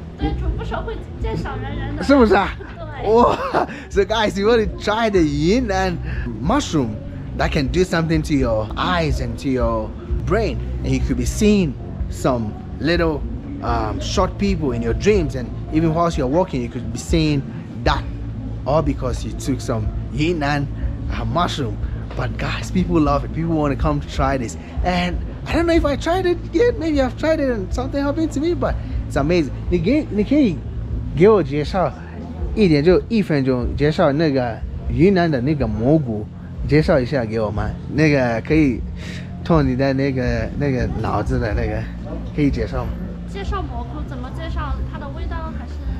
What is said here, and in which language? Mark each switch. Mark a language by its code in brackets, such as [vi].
[zh] 对，煮不熟会见小人人的，是不是啊？对。 [en] 哇，So guys, you want to try the Yunnan mushroom？ That can do something to your eyes and to your brain, and you could be seeing some little short people in your dreams, and even whilst you're walking, you could be seeing that, all because you took some Yunnan mushroom. But guys, people love it. People want to come to try this, and I don't know if I tried it yet. Maybe I've tried it and something happened to me, but it's amazing. [zh] 你可以给我介绍一点，就一分钟介绍那个云南的那个蘑菇。介绍一下给我们，那个可以通你的那个脑子的那个，可以介绍吗？介绍蘑菇怎么介绍？它的味道还是？